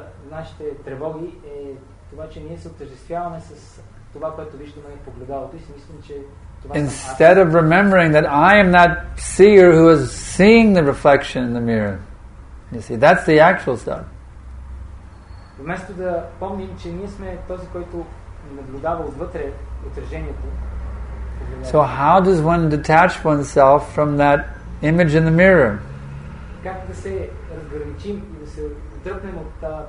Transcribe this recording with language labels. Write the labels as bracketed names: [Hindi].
[Bulgarian] Нашите тревоги е това, че ние се отъждествяваме с това, което виждаме в погледалото и си мислим, че това [English] Instead of remembering that I am that seer who is seeing the reflection in the mirror. You see, that's the actual stuff. [Bulgarian] Вместо да помним, че ние сме този, който наблюдава отвътре отражението. [English] So how does one detach oneself from that image in the mirror? [Bulgarian] Как да се разграничим и да се отдръпнем от